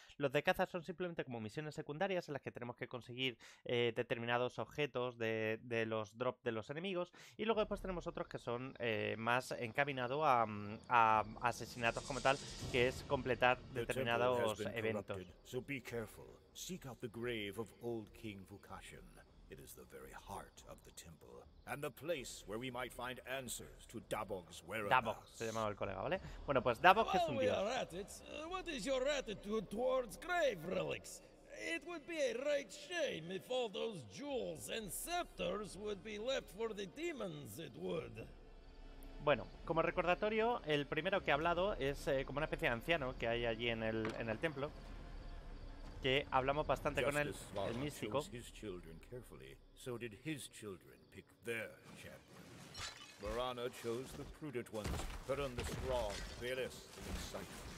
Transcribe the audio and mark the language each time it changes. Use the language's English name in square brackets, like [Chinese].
[Spanish] Los de caza son simplemente como misiones secundarias en las que tenemos que conseguir determinados objetos de los drops de los enemigos, y luego después tenemos otros que son más encaminado a asesinatos como tal, que es completar determinados eventos. [English] So be careful. Seek out the grave of old King Vukashin. It is the very heart of the temple and the place where we might find answers to Dabog's whereabouts. [Spanish] Dabog se llamaba el colega, ¿vale? Bueno, pues Dabog es un dios. [English] Well, we are at it. What is your attitude towards grave relics? It would be a right shame if all those jewels and scepters would be left for the demons, it would. [Spanish] Bueno, como recordatorio, el primero que ha hablado es como una especie de anciano que hay allí en el templo, que hablamos bastante con él, el místico. [English] Just as Varana chose his children carefully, so did his children pick their champion. Varana chose the prudent ones, put on the strong, fearless, and excited.